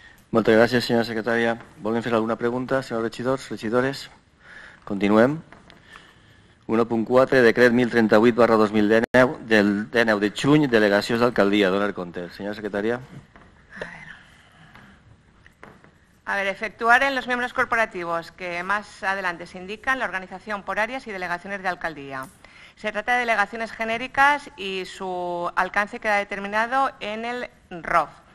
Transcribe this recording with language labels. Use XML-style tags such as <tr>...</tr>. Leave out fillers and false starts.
<es>Muchas gracias, señora secretaria. ¿Vuelven a hacer alguna pregunta, señor regidor, regidores?</es> <ca>Continuem. 1.4, decret 1038/2019, del 19 de juny, delegacions d'alcaldia. Donar compte. Senyora secretària.</ca> <es>A ver, efectuar en los miembros corporativos que más adelante se indican la organización por áreas y delegaciones de alcaldía. Se trata de delegaciones genéricas y su alcance queda determinado en el ROF.</es>